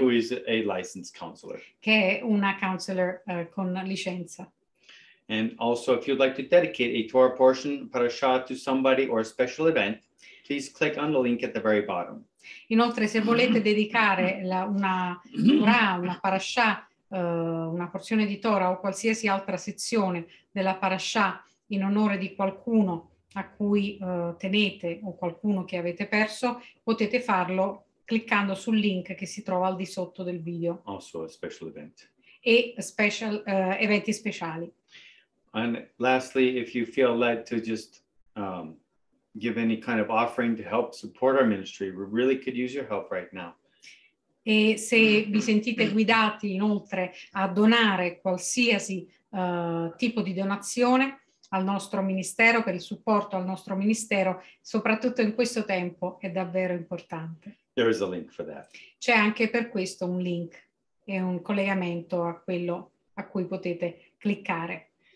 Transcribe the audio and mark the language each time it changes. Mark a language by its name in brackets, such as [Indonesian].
[English] Who is a licensed counselor. [Italian] Che è una counselor con licenza. [English] And also, if you'd like to dedicate a Torah portion, parashah to somebody or a special event, please click on the link at the very bottom. [Italian] Inoltre, se volete dedicare una Torah, una parashah, una porzione di Torah o qualsiasi altra sezione della parashah in onore di qualcuno a cui tenete o qualcuno che avete perso, potete farlo cliccando sul link che si trova al di sotto del video. [English] Also a special event. [Italian] E special eventi speciali. [English] And lastly, if you feel led to just give any kind of offering to help support our ministry, we really could use your help right now. [Italian] E se vi sentite guidati inoltre a donare qualsiasi tipo di donazione al nostro ministero, per il supporto al nostro ministero, soprattutto in questo tempo, è davvero importante. [English] There is a link for that. [Italian] C'è anche per questo un link e un collegamento a quello a cui potete cliccare.